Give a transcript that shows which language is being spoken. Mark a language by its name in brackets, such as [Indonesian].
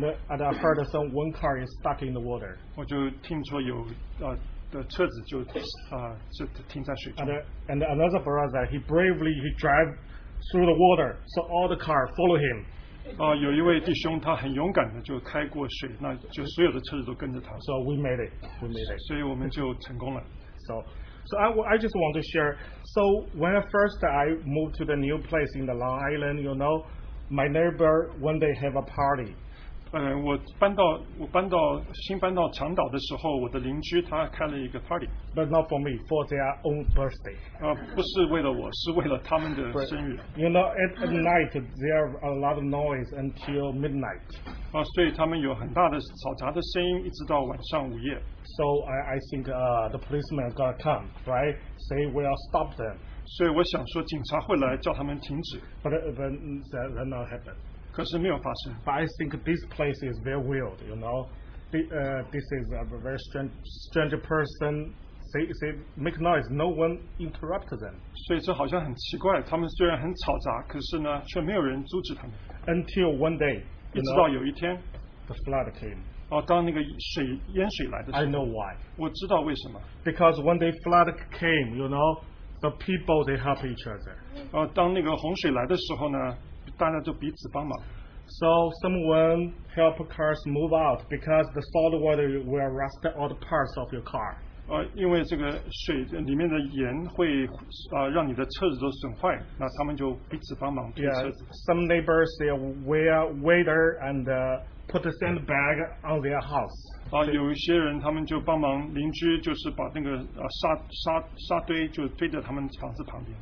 [English] And I heard some one car is stuck in the water. [Chinese] 我就听说有 的车子就停在水中。 [English] And another brother, he bravely he drive through the water, so all the car follow him. [Chinese] 有一位弟兄他很勇敢的就开过水，那就所有的车子都跟着他。 [English] So we made it. We made it. [Chinese] 所以我们就成功了。 [English] So. So I just want to share. So when I first I moved to the new place in the Long Island, you know, my neighbor when they have a party. [Chinese] 我搬到新搬到长岛的时候，我的邻居他开了一个 party. [English] But not for me, for their own birthday. [Chinese] 不是为了我，是为了他们的生日。 [English] You know, at night there are a lot of noise until midnight. [Chinese] 所以他们有很大的嘈杂的声音，一直到晚上午夜。 [English] So I think the policeman is going to come, right? Say we will stop them. [Chinese] 所以我想说警察会来叫他们停止。 [English] But that did not happen. [Chinese] 可是没有发生。 [English] But I think this place is very weird, you know. This is a very strange person. Say make noise, no one interrupted them. [Chinese] 所以这好像很奇怪,他们虽然很吵杂,可是呢,却没有人阻止他们。 [English] Until one day, you know, [Chinese] 一直到有一天, [English] the flood came. [Chinese] 当那个水淹水来的时候, [English] I know why. [Chinese] 我知道为什么。 [English] Because when the flood came, you know, the people they help each other. [Chinese] 当那个洪水来的时候呢, 大家都彼此帮忙。 [English] So someone help cars move out because the salt water will rust all the parts of your car. [Chinese] 因为这个水里面的盐会 让你的车子都损坏, 那他们就彼此帮忙, [English] yeah, some neighbors say wear waiter and put the sandbag on their house. [Chinese] 有一些人他们就帮忙邻居就是把那个沙堆就堆在他们房子旁边。